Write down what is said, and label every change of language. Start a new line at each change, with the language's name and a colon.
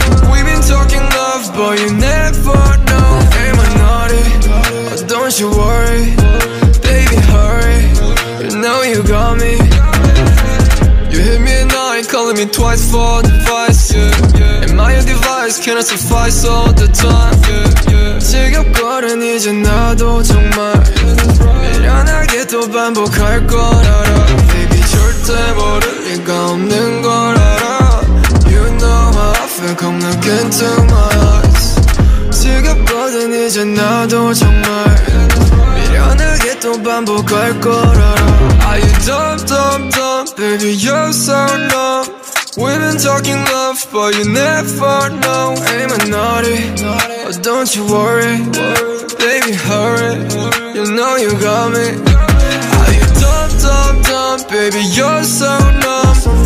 English: We've been talking love, but you never know. Am I naughty? Or don't you worry? Baby, hurry. You know you got me. You hit me at night, calling me twice for advice, yeah, yeah. Am I your device? Can I suffice all the time? Yeah, yeah.
Korean: 지겹거든 이제 나도 정말 미련하게도 반복할 걸 알아. Baby 절대 모를 리가 없는 걸 알아.
English: You know how I feel, come look into my eyes.
Korean: 지겹거든 이제 나도 정말 미련하게도 반복할 걸 알아.
English: Are you dumb, dumb, dumb? Baby, you're so numb. We've been talking love, but you never know. Am I naughty? Or don't you worry? Baby, hurry. You know you got me. Are you dumb, dumb, dumb? Baby, you're so numb.